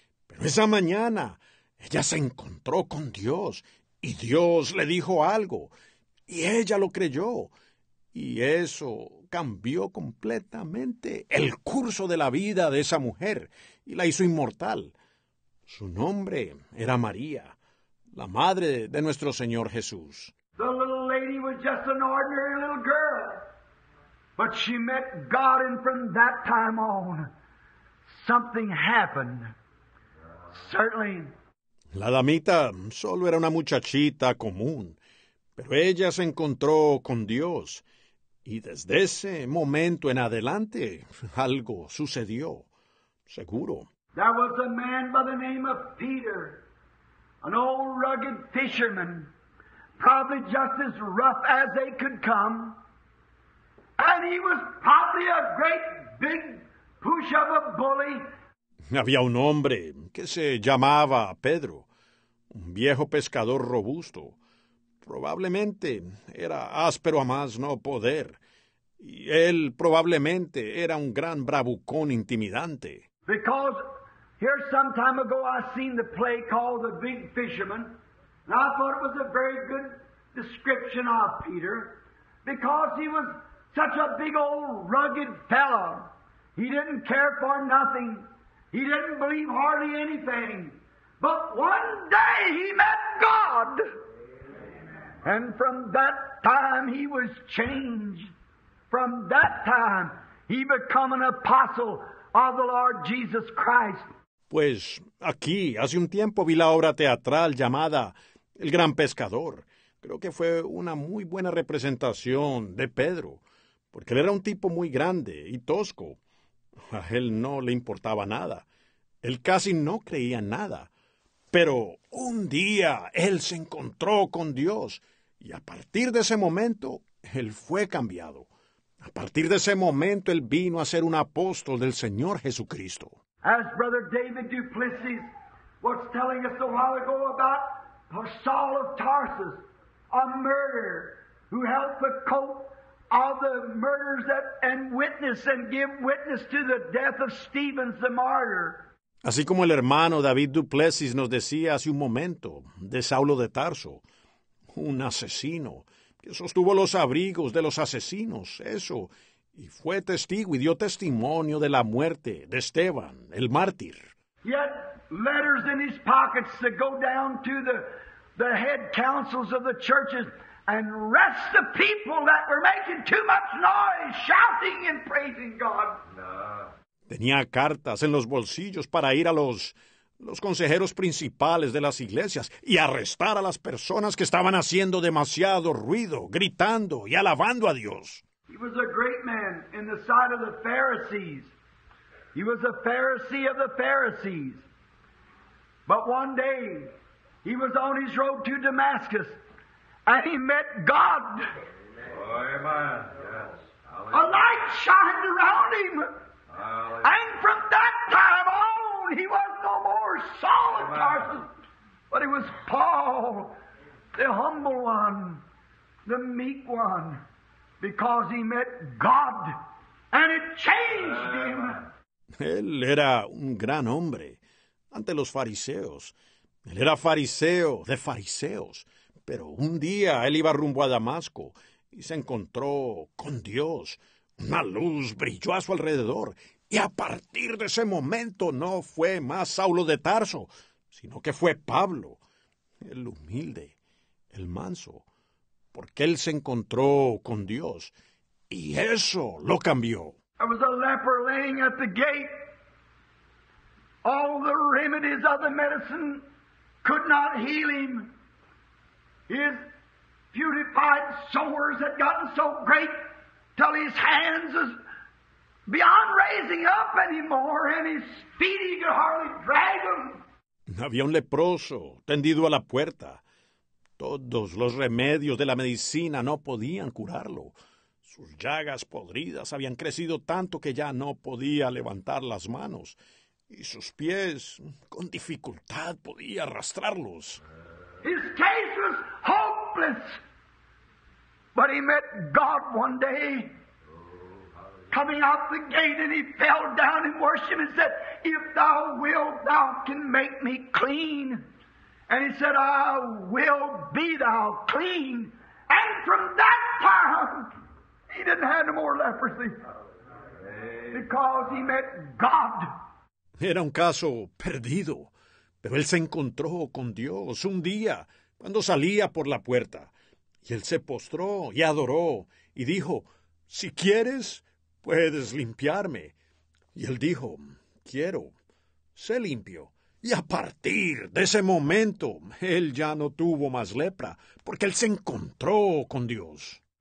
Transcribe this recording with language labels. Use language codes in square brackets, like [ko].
[es] Pero esa mañana, ella se encontró con Dios, y Dios le dijo algo, y ella lo creyó, y eso cambió completamente el curso de la vida de esa mujer, y la hizo inmortal. Su nombre era María, la madre de nuestro Señor Jesús. [en] The little lady was just an ordinary little girl, but she met God, and from that time on, something happened. Certainly. [es] La damita solo era una muchachita común, pero ella se encontró con Dios, y desde ese momento en adelante, algo sucedió, seguro. [en] There was a man by the name of Peter, an old rugged fisherman, probably just as rough as they could come, and he was probably a great big push of a bully. [es] Había un hombre que se llamaba Pedro, un viejo pescador robusto. Probablemente era áspero a más no poder. Y él probablemente era un gran bravucón intimidante. [en] Because here some time ago I seen the play called The Big Fisherman. And I thought it was a very good description of Peter. Because he was such a big old rugged fellow. He didn't care for nothing. He didn't believe hardly anything, but one day he met God, and from that time he was changed. From that time he became an apostle of the Lord Jesus Christ. [es] Pues aquí, hace un tiempo vi la obra teatral llamada El Gran Pescador. Creo que fue una muy buena representación de Pedro, porque él era un tipo muy grande y tosco. A él no le importaba nada. Él casi no creía en nada, pero un día él se encontró con Dios y a partir de ese momento él fue cambiado. A partir de ese momento él vino a ser un apóstol del Señor Jesucristo. [en] As Brother David Duplessis was telling us a while ago about Saul of Tarsus, a murderer who held the coat of the murders that and witness and give witness to the death of Stephen the martyr. [es] Así como el hermano David Duplessis nos decía hace un momento de Saulo de Tarso, un asesino que sostuvo los abrigos de los asesinos, eso, y fue testigo y dio testimonio de la muerte de Esteban, el mártir. [en] He had letters in his pockets to go down to the head councils of the churches and arrest the people that were making too much noise, shouting and praising God. No. [es] Tenía cartas en los bolsillos para ir a los los consejeros principales de las iglesias y arrestar a las personas que estaban haciendo demasiado ruido, gritando y alabando a Dios. [en] He was a great man in the sight of the Pharisees. He was a Pharisee of the Pharisees. But one day, he was on his road to Damascus, and he met God. Amen. Yes. A light shined around him. And from that time on, he was no more Saul of Tarsus, but he was Paul, the humble one, the meek one, because he met God, and it changed him. [es] Él era un gran hombre ante los fariseos. Él era fariseo de fariseos, pero un día él iba rumbo a Damasco y se encontró con Dios. Una luz brilló a su alrededor y a partir de ese momento no fue más Saulo de Tarso, sino que fue Pablo, el humilde, el manso, porque él se encontró con Dios y eso lo cambió. [en] I was a leper laying at the gate. All the remedies of the medicine could not heal him. His putrefied sores had gotten so great till his hands was beyond raising up anymore, and his feet he could hardly drag them. [es] Había un leproso tendido a la puerta. Todos los remedios de la medicina no podían curarlo. Sus llagas podridas habían crecido tanto que ya no podía levantar las manos, y sus pies con dificultad podía arrastrarlos. [en] His case was hopeless, but he met God one day, coming out the gate, and he fell down in worship and said, "If thou wilt, thou can make me clean." And he said, "I will be thou clean." And from that time, he didn't have no more leprosy because he met God. [es] Era un caso perdido, pero él se encontró con Dios un día cuando salía por la puerta. Y él se postró y adoró y dijo, "Si quieres, puedes limpiarme." Y él dijo, "Quiero." Se limpió. Y a partir de ese momento, él ya no tuvo más lepra porque él se encontró con Dios.